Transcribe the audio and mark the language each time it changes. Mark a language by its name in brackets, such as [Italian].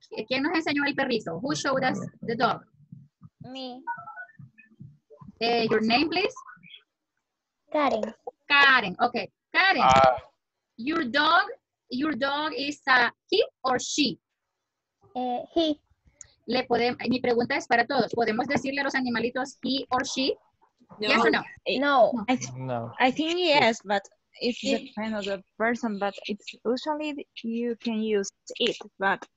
[Spanish] ¿Quién nos enseñó el perrito? [English] Who showed us the dog? Me. Your name, please? Karen. Karen, okay. Karen, your dog is a he or she? He. [Spanish] Mi pregunta es para todos. ¿Podemos decirle a los animalitos [English] he or she? [Spanish] No. [English] Yes or no? No. I think yes, but it depends on the person, but it's usually you can use it, but